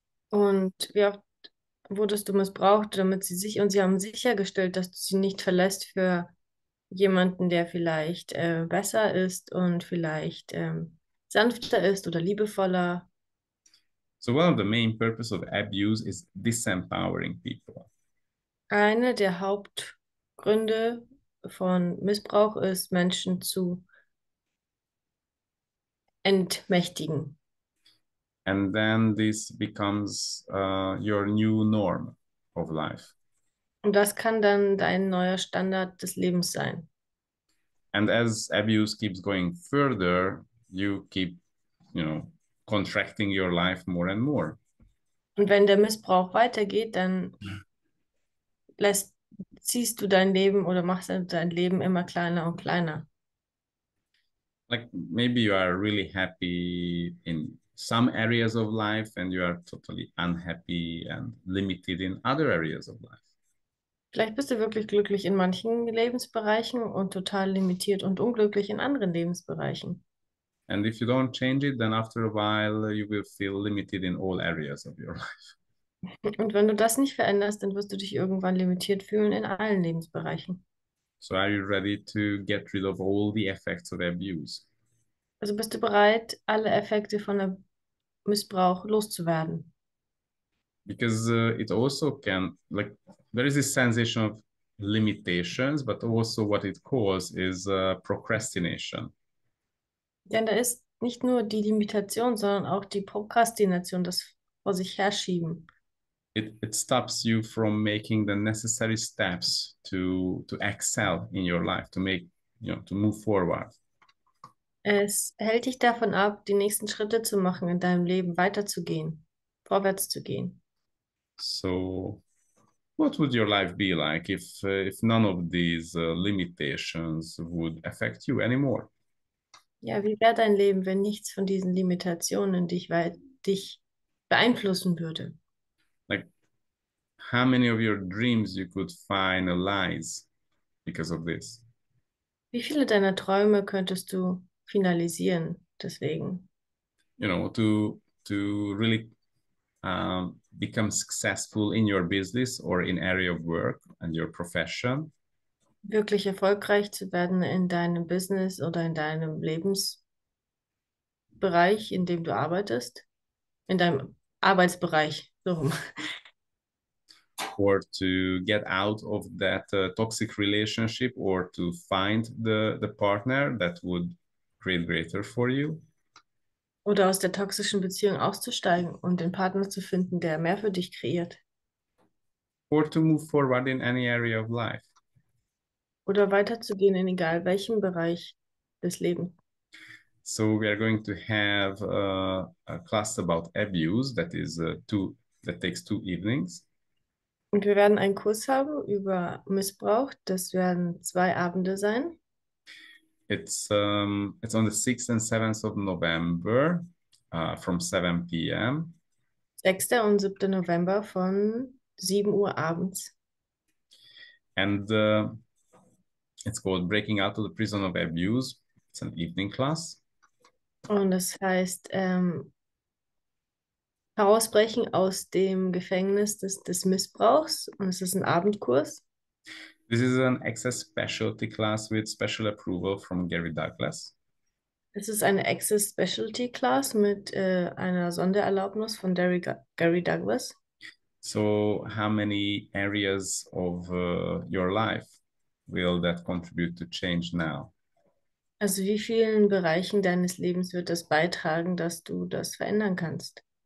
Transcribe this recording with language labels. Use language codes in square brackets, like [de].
[de] Und wie oft wurdest du missbraucht, damit sie sich und sie haben sichergestellt, dass du sie nicht verlässt für jemanden, der vielleicht besser ist und vielleicht sanfter ist oder liebevoller? [en] So one of the main purpose of abuse is disempowering people. [de] Eine der Hauptgründe von Missbrauch ist, Menschen zu entmächtigen. [en] And then this becomes your new norm of life. [de] Und das kann dann dein neuer Standard des Lebens sein. [en] And as abuse keeps going further, you keep, contracting your life more and more. [de] Und wenn der Missbrauch weitergeht, dann ziehst du dein Leben oder machst du dein Leben immer kleiner und kleiner. [en] Like maybe you are really happy in some areas of life, and you are totally unhappy and limited in other areas of life. [de] Vielleicht bist du wirklich glücklich in manchen Lebensbereichen und total limitiert und unglücklich in anderen Lebensbereichen. [en] And if you don't change it, then after a while you will feel limited in all areas of your life. [de] Und wenn du das nicht veränderst, dann wirst du dich irgendwann limitiert fühlen in allen Lebensbereichen. [en] So are you ready to get rid of all the effects of abuse? [de] Also bist du bereit, alle Effekte von einem Missbrauch loszuwerden? [en] Because it also can, like, there is this sensation of limitations, but also what it causes is procrastination. [de] Denn da ist nicht nur die Limitation, sondern auch die Prokrastination, das vor sich herschieben. [en] It stops you from making the necessary steps to excel in your life, to make, to move forward. [de] Es hält dich davon ab, die nächsten Schritte zu machen, in deinem Leben weiterzugehen, vorwärts zu gehen. [en] So, what would your life be like if none of these limitations would affect you anymore? [de] Ja, wie wäre dein Leben, wenn nichts von diesen Limitationen dich beeinflussen würde? [en] How many of your dreams you could finalize because of this? [de] Wie viele deiner Träume könntest du finalisieren, deswegen. [en] You know, to really become successful in your business or in area of work and your profession. [de] Wirklich erfolgreich zu werden in deinem Business oder in deinem Lebensbereich, in dem du arbeitest, in deinem Arbeitsbereich, so rum. [en] Or to get out of that toxic relationship, or to find the partner that would create greater for you. [de] Oder aus der toxischen Beziehung auszusteigen und den Partner zu finden, der mehr für dich kreiert. [en] Or to move forward in any area of life. [de] Oder weiterzugehen in egal welchem Bereich des Lebens. [en] So we are going to have a class about abuse that is two that takes 2 evenings. [de] Und wir werden einen Kurs haben über Missbrauch. Das werden 2 Abende sein. [en] It's on the 6th and 7th of November, from 7 p.m. [de] 6. und 7. November von 7 Uhr abends. [en] And it's called Breaking Out of the Prison of Abuse. It's an evening class. [de] Und das heißt, herausbrechen aus dem Gefängnis des Missbrauchs. Und es ist ein Abendkurs. [en] This is an access specialty class with special approval from Gary Douglas. [de] Es ist eine Access Specialty Class mit einer Sondererlaubnis von Gary Douglas. [en] So, how many areas of your life will that contribute to change now? [de] Also wie vielen Bereichen deines Lebens wird das beitragen, dass du das verändern kannst?